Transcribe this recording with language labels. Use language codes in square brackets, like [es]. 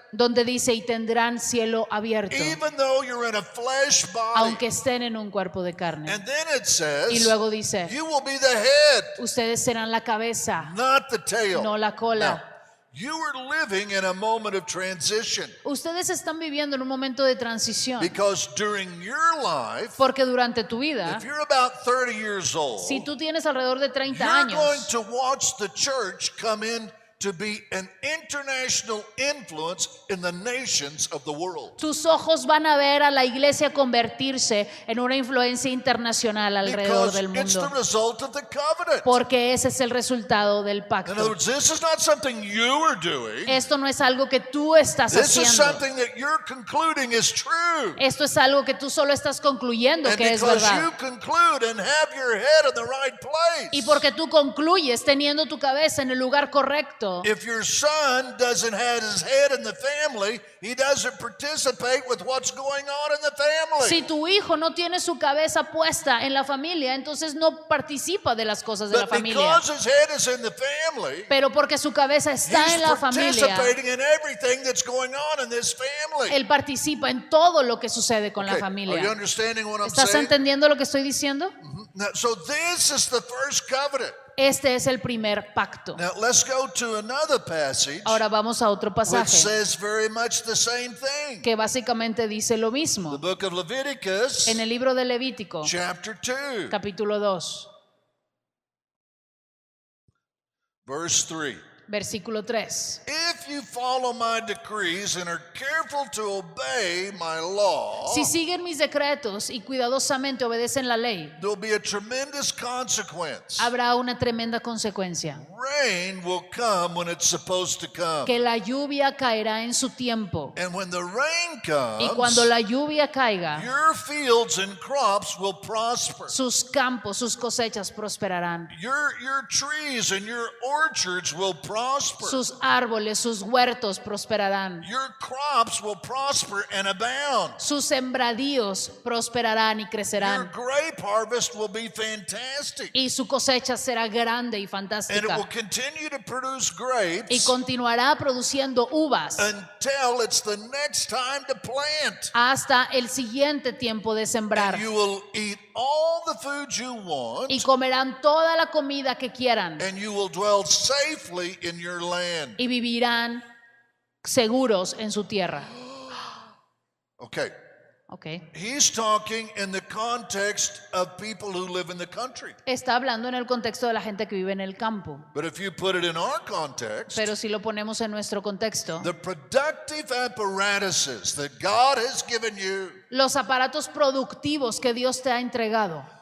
[es] Donde dice y tendrán cielo abierto. [en] Even though you're in a flesh body. [es] Aunque estén en un cuerpo de carne. [en] And then it says. [es] Y luego dice. [en] You will be the head. [es] Ustedes serán la cabeza. [en] Not the tail. [es] No la cola. [en] Now, you are living in a moment of transition. [es] Ustedes están viviendo en un momento de transición. [en] Because during your life, [es] porque durante tu vida, [en] if you're about 30 years old, [es] si tú tienes alrededor de 30 [en] you're [es] años, [en] going to watch the church come in to be an international influence in the nations of the world. [es] Tus ojos van a ver a la iglesia convertirse en una influencia internacional alrededor del mundo. [en] Because it's the result of the covenant. [es] Porque ese es el resultado del pacto. [en] In other words, this is not something you are doing. [es] Esto no es algo que tú estás [en] this [es] haciendo. [en] This is something that you're concluding is true. [es] Esto es algo que tú solo estás concluyendo [en] and [es] que es verdad. [en] And because you conclude and have your head in the right place. [es] Y porque tú concluyes teniendo tu cabeza en el lugar correcto. [en] If your son doesn't have his head in the family, he doesn't participate with what's going on in the family. [es] Si tu hijo no tiene su cabeza puesta en la familia, entonces no participa de las cosas de la familia. [en] But because his head is in the family, [es] pero porque su cabeza está en la familia, [en] he's participating in everything that's going on in this family. [es] Él participa en todo lo que sucede con okay, la familia. [en] Are you understanding what I'm [es] ¿Estás [en] saying? [es] Entendiendo lo que estoy diciendo? [en] Mm-hmm. Now, so this is the first covenant. [es] Este es el primer pacto. [en] Now, let's go to another passage. [es] Ahora vamos a otro pasaje. [en] Which says very much the same thing. [es] Que básicamente dice lo mismo. [en] The book of Leviticus. [es] En el libro de Levítico. [en] Chapter 2. [es] Capítulo 2. [en] Verse 3. [es] Versículo 3. [en] If you follow my decrees and are careful to obey my law, [es] si siguen mis decretos y cuidadosamente obedecen la ley, [en] there'll be a tremendous consequence. [es] Habrá una tremenda consecuencia. [en] Rain will come when it's supposed to come. [es] Que la lluvia caerá en su tiempo. [en] And when the rain comes, [es] y cuando la lluvia caiga, [en] your fields and crops will prosper. [es] Sus campos, sus cosechas prosperarán. [en] Your trees and your orchards will prosper. [es] Sus árboles, sus huertos prosperarán. [en] Your crops will prosper and abound. [es] Sus sembradíos prosperarán y crecerán. [en] Your grape harvest will be fantastic. [es] Y su cosecha será grande y fantástica. [en] And it will continue to produce grapes. [es] Y continuará produciendo uvas. [en] Until it's the next time to plant. [es] Hasta el siguiente tiempo de sembrar. [en] And you will eat all the food you want. [es] Y comerán toda la comida que quieran. [en] And you will dwell safely. In your land. [es] Y vivirán seguros en su tierra. Okay. Okay. [en] He's talking in the context of people who live in the country. [es] Está hablando en el contexto de la gente que vive en el campo. [en] But if you put it in our context, [es] pero si lo ponemos en nuestro contexto, [en] the productive apparatuses that God has given you, [es] los aparatos productivos que Dios te ha entregado,